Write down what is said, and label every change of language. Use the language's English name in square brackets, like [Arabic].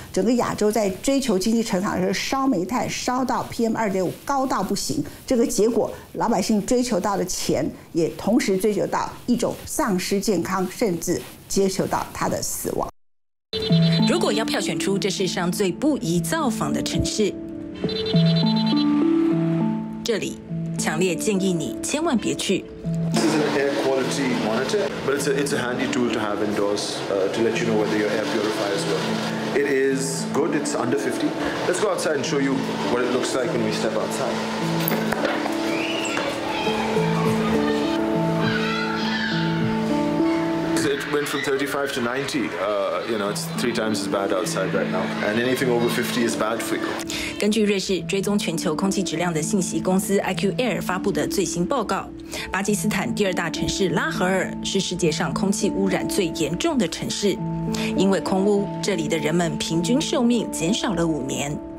[Chinese] 整个亚洲在追求经济成长的时候烧煤炭，烧到 PM2.5 高到不行，这个结果老百姓追求到的钱也同时追求到一种丧失健康，甚至接受到他的死亡。如果要票选出这世上最不宜造访的城市，这里强烈建议你千万别去。 [English] This is an air quality monitor, but it's a handy tool to have indoors, to let you know whether your air purifier is working. It is good, it's under 50. Let's go outside and show you what it looks like when we step outside. 35 to 90, it's 3 times as bad outside right now. And anything over 50 is bad for you. [Chinese] 根据瑞士追踪全球空气质量的信息公司 IQ Air 发布的最新报告，巴基斯坦第二大城市拉合尔是世界上空气污染最严重的城市。因为空污，这里的人们平均寿命减少了5年。